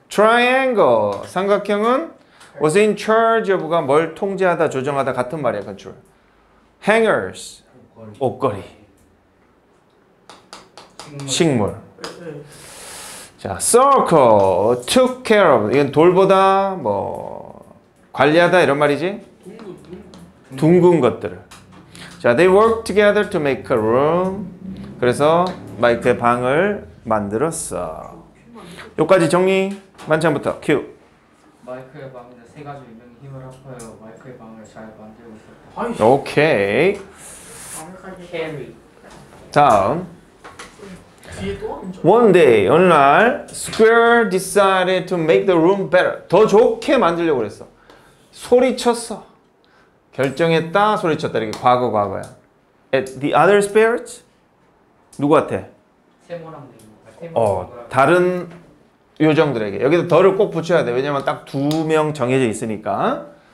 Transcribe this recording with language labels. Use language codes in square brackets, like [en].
[ko] Triangle 삼각형은 [en] was in charge of [ko] 가 뭘 통제하다 조정하다 같은 말이야. Control. Hangers 옷걸이. 식물. 자, [en] circle took care of [ko] 이건 돌보다 뭐 관리하다 이런 말이지. 둥근 것들을. [en] 자, they worked together to make a room. [ko] 그래서 마이크의 방을 만들었어. 여기까지 정리. 만찬부터 큐. 마이크의 방에 세 가지 유명 힘을 합하여 마이크의 방을 잘 만들고 있었다. 오케이. 방까지 캐리. 다음. 뒤에 또 [en] One day, [ko] 어느 날, [en] Square decided to make the room better. [ko] 더 좋게 만들려고 그랬어. 소리쳤어. 결정했다, 소리쳤다. 이렇게 과거, 과거야. [en] At the other spirits? [ko] 누구한테? 세모랑 네모. 다른 요정들에게. 여기도 덜을 꼭 붙여야 돼. 왜냐면 딱 두 명 정해져 있으니까.